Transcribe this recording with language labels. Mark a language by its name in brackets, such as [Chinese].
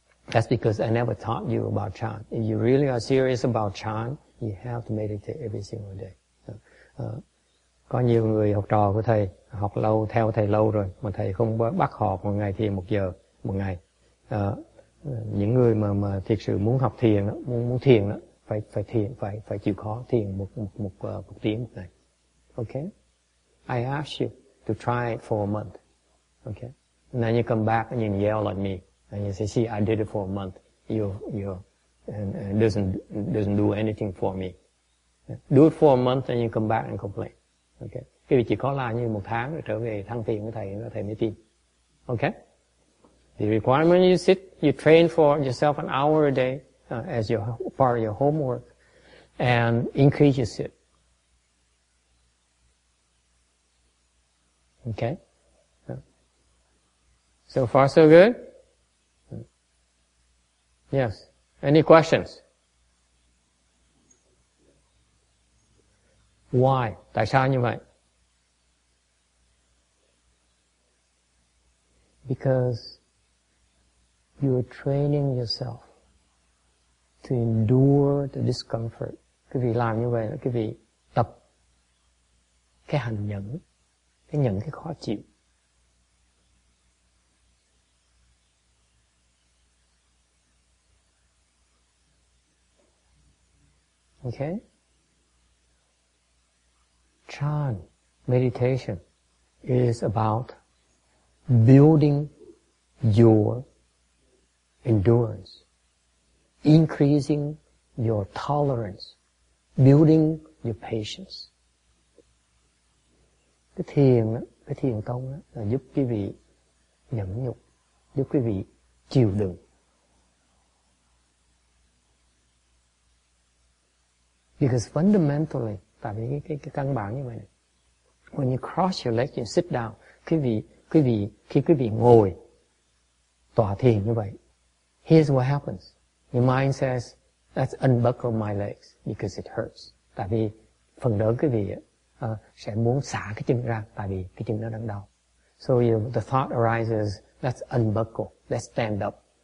[English] That's because I never taught you about chan. If you really are serious about chan, you have to meditate every single day. [Vietnamese] Có nhiều người học trò của thầy học lâu, theo thầy lâu rồi mà thầy không bắt họ một ngày thiền một giờ một ngày. Những người mà thiệt sự muốn học thiền, muốn thiền đó, phải chịu khó thiền một tiếng một ngày. [English] Okay? I ask you to try it for a month. Okay? And then you come back and you yell at me. And you say, see, I did it for a month. It doesn't do anything for me. Do it for a month and you come back and complain. Okay? [Vietnamese] Cái việc chỉ có là như một tháng rồi trở về thăng thiền với thầy, thầy mới tin. [English] Okay? The requirement is it, you train for yourself an hour a day as your part of your homework and increase your sit. Okay? So far, so good? Yes. Any questions? Why? [Vietnamese] Tại sao như vậy? [English] Because you're training yourself to endure the discomfort. [Vietnamese] Quý vị làm như vậy là quý vị tập cái hành nhẫn, cái nhẫn cái khó chịu. [English] Okay. Chan meditation is about building your endurance, increasing your tolerance, building your patience. [Vietnamese] Cái thiền công đó là giúp quý vị nhẫn nhục, giúp quý vị chịu đựng. [English] Because fundamentally, [Vietnamese] tại vì cái căn bản như vậy này. [English] When you cross your legs and sit down, [Vietnamese] khi quý vị ngồi tọa thiền như vậy, [English] here's what happens. Your mind says, let's unbuckle my legs because it hurts. [Vietnamese] Tại vì phần lớn quý vị sẽ muốn xả cái chân ra tại vì cái chân nó đang đau. [English] So the thought arises, let's unbuckle, let's stand up.